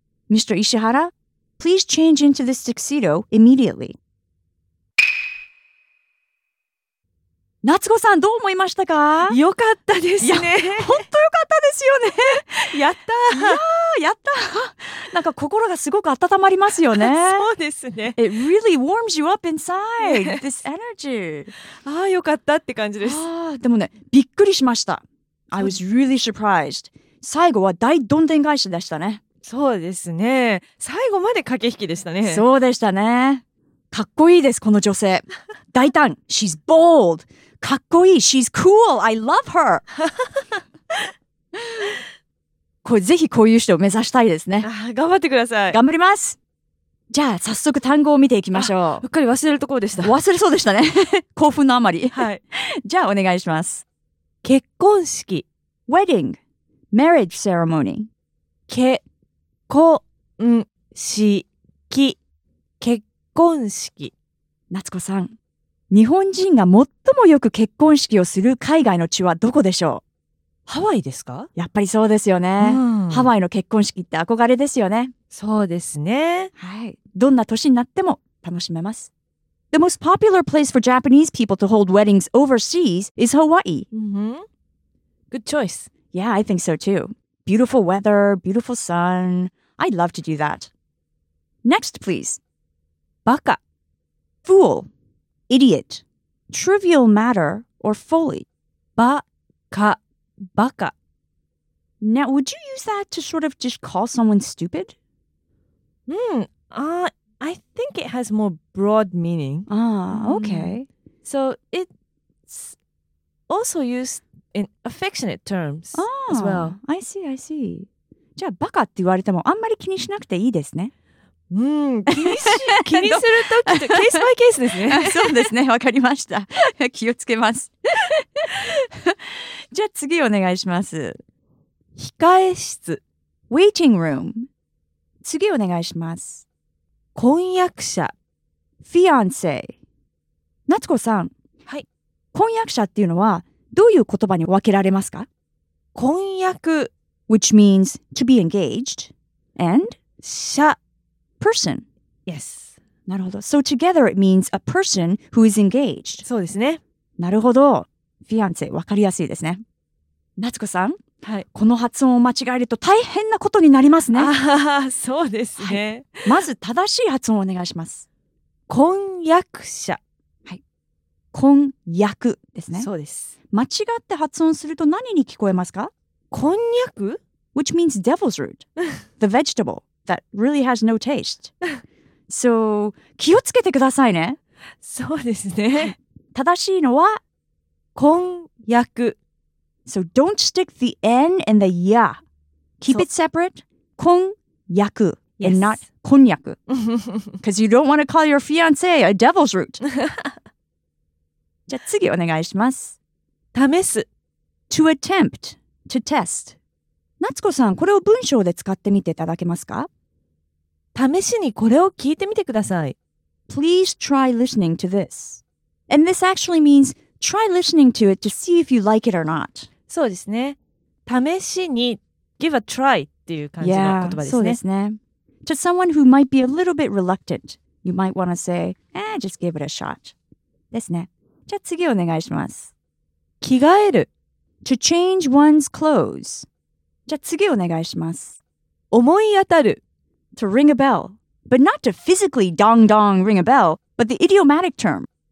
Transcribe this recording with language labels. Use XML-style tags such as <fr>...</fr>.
<en>Mr. Ishihara, please change into this tuxedo immediately.</en> <ja>夏子さん、どう思いましたか？よかったですね。本当よかったですよね。やったー。 いやー、やったー。なんか心がすごく温まりますよね。そうですね。</ja> <en>It really warms you up inside, this energy.</en> <ja>ああ、よかったって感じです。あ、でもね、びっくりしました。</ja> <en>I was really surprised.</en> <ja>最後は大どんでん返しでしたね。そうですね。最後まで駆け引きでしたね。そうでしたね。かっこいいです、この女性。</ja> <en>大胆。She's bold. かっこいい。She's cool. I love her.</en> <ja>これぜひこういう人を目指したいですね。あ、頑張ってください。頑張ります。じゃあ、早速単語を見ていきましょう。うっかり忘れるところでした。忘れそうでしたね。興奮のあまり。はい。じゃあ、お願いします。結婚式。</ja> <en>wedding. marriage ceremony.</en> <ja>結婚式。結婚式。夏子さん、日本人が最もよく結婚式をする海外の地はどこでしょう？ハワイですか？やっぱりそうですよね、うん。ハワイの結婚式って憧れですよね。そうですね。はい。どんな年になっても楽しめます。</ja> <en>The most popular place for Japanese people to hold weddings overseas is Hawaii. Mm-hmm. Good choice. Yeah, I think so too. Beautiful weather, beautiful sun. I'd love to do that. Next, please.</en> <ja>バカ。</ja> <en>Fool. Idiot. Trivial matter or folly.</en> <ja>バカ。バカ。</ja> <en>Now, would you use that to sort of just call someone stupid? I think it has more broad meaning. Ah, okay. So it's also used in affectionate terms as well. I see, I see.</en> <ja>じゃあ、バカって言われてもあんまり気にしなくていいですね。気にし、気にするとき、ケースバイケースですね。そうですね、わかりました。気をつけます。じゃあ次お願いします。控え室。</ja> <en>waiting room。</en> <ja>次お願いします。婚約者。</ja> <en>fiance。</en> <ja>夏子さん。はい。婚約者っていうのはどういう言葉に分けられますか？婚約。</ja> <en>which means to be engaged. and?</en> <ja>者。</ja> <en>person. yes.</en> <ja>なるほど。</ja> <en>so together it means a person who is engaged.</en> <ja>そうですね。なるほど。フィアンセ、わかりやすいですね。夏子さん、はい、この発音を間違えると大変なことになりますね。あ、そうですね、はい。まず正しい発音をお願いします。婚約者。はい。婚約ですね。そうです。間違って発音すると何に聞こえますか？婚約？</ja> <en>Which means devil's root, the vegetable that really has no taste. So,</en> <ja>気をつけてくださいね。そうですね。正しいのは、婚約。</ja> <en>So don't stick the N and the ya. Keep it separate. 婚約、 yes. and not 婚約。 Because you don't want to call your fiancé a devil's root.</en> <ja>じゃあ次お願いします。試す。</ja> <en>To attempt. To test.</en> <ja>夏子さん、これを文章で使ってみていただけますか？試しにこれを聞いてみてください。</ja> <en>Please try listening to this. And this actually means...Try listening to it to see if you like it or not.</en> <ja>そうですね。試しに</ja> <en>give a try</en> <ja>っていう感じの言葉ですね。そうですね。</ja> <en>To someone who might be a little bit reluctant, you might want to say, eh, just give it a shot.</en> <ja>ですね。じゃあ次お願いします。着替える。</ja> <en>To change one's clothes.</en> <ja>じゃあ次お願いします。思い当たる。</ja> <en>To ring a bell. But not to physically dong dong ring a bell, but the idiomatic term.</en>